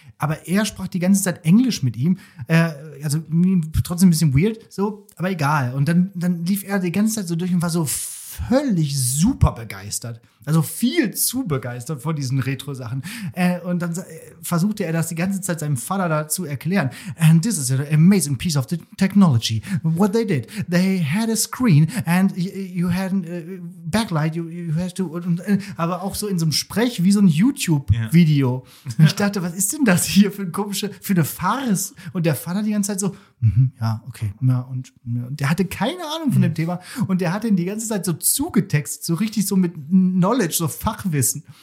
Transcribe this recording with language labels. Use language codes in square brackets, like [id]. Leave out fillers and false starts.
[de] aber er sprach die ganze Zeit Englisch mit ihm. Also trotzdem ein bisschen weird, so, aber egal. Und dann lief er die ganze Zeit so durch und war so völlig super begeistert. Also viel zu begeistert von diesen Retro-Sachen. Und dann versuchte er das die ganze Zeit seinem Vater da zu erklären. [en] And this is an amazing piece of the technology. What they did, they had a screen and you had a backlight. You had to, [de] aber auch so in so einem Sprech wie so ein YouTube-Video. [en] Yeah. [de] Ich dachte, was ist denn das hier für eine Farce? Und der Vater die ganze Zeit so, ja, okay. Na, und der hatte keine Ahnung von dem Thema und der hat ihn die ganze Zeit so zugetextet, so richtig so mit Knowledge, so Fachwissen.